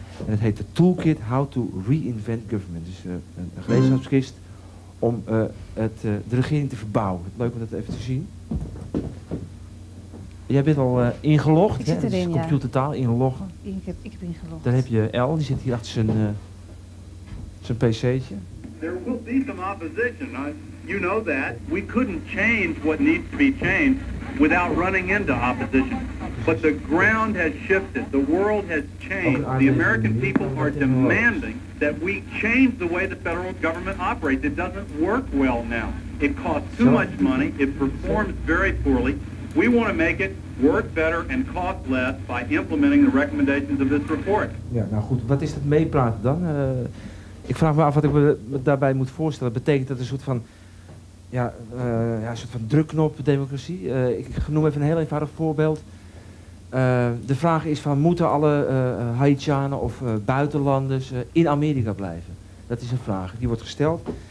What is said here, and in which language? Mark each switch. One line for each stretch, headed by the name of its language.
Dutch: En het heet de toolkit How to Reinvent Government. Dus een gereedschapskist om de regering te verbouwen. Leuk om dat even te zien. Jij bent al ingelogd. Ik zit erin, dat is computertaal, ja. Inloggen. Ik heb ingelogd. Daar heb je Al, die zit hier achter zijn pc'tje.
English: There will be some opposition. You know that. We couldn't change what needs to be changed without running into opposition. But the ground has shifted. The world has changed. The American people are demanding that we change the way the federal government operates. It doesn't work well now. It costs too much money. It performs very poorly. We want to make it work better and cost less by implementing the recommendations of this report.
Dutch: Ja, nou goed. Wat is dat meepraten dan? Ik vraag me af wat ik me daarbij moet voorstellen. Betekent dat een soort van, een soort van drukknop democratie? Ik noem even een heel eenvoudig voorbeeld. De vraag is van, moeten alle Haitianen of buitenlanders in Amerika blijven? Dat is een vraag. Die wordt gesteld.